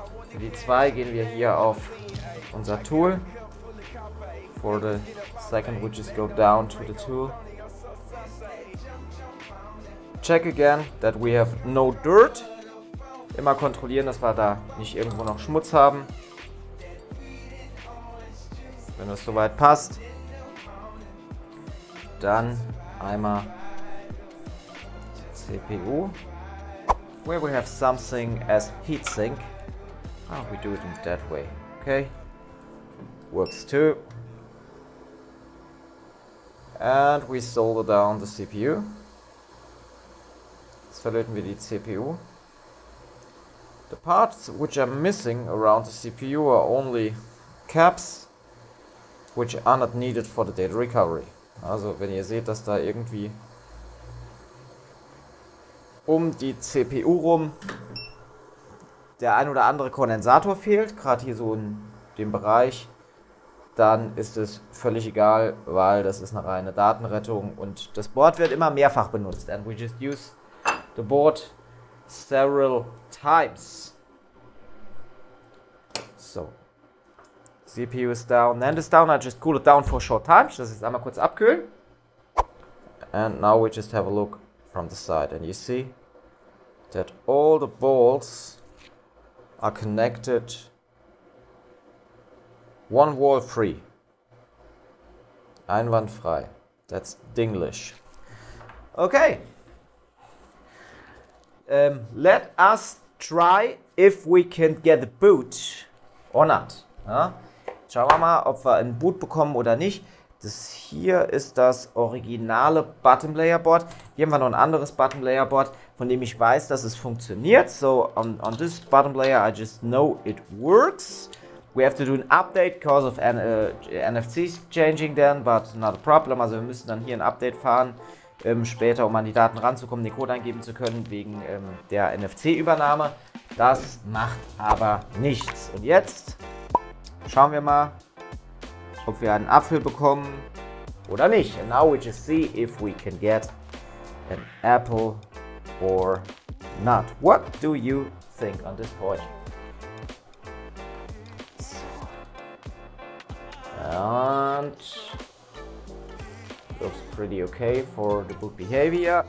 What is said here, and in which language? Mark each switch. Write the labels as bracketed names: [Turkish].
[German] Für die 2 gehen wir hier auf unser Tool. [English] For the second, we just go down to the tool. Check again that we have no dirt. [German] Immer kontrollieren, dass wir da nicht irgendwo noch Schmutz haben. Wenn es soweit passt, dann einmal CPU. [English] Where we have something as heatsink. Oh, we do it in that way. Okay. Works too. And we solder down the CPU. [German] Verlöten wir die CPU. [English] The parts which are missing around the CPU are only caps which are not needed for the data recovery. [German] Also wenn ihr seht, dass da irgendwie um die CPU rum der ein oder andere Kondensator fehlt, gerade hier so in dem Bereich, dann ist es völlig egal, weil das ist eine reine Datenrettung und das Board wird immer mehrfach benutzt. [English] And we just use the board several times. So, CPU is down, NAND is down, I just cool it down for a short time. [German] Das ist einmal kurz abkühlen. [English] And now we just have a look from the side and you see that all the balls are connected one wall free. [German] Einwandfrei. [English] That's Dinglish. Okay. Let us try if we can get a boot or not. Ja? [German] Schauen wir mal, ob wir einen Boot bekommen oder nicht. Das hier ist das originale Bottom Layer Board. Hier haben wir noch ein anderes Bottom Layer Board, von dem ich weiß, dass es funktioniert. [English] So, on this Bottom Layer, I just know it works. We have to do an update because of NFC changing then, but not a problem. [German] Also wir müssen dann hier ein Update fahren. Später, um an die Daten ranzukommen, den Code eingeben zu können, wegen der NFC-Übernahme. Das macht aber nichts. Und jetzt schauen wir mal, ob wir einen Apfel bekommen oder nicht. [English] And now we just see if we can get an apple or not. What do you think on this point? And looks pretty okay for the boot behavior.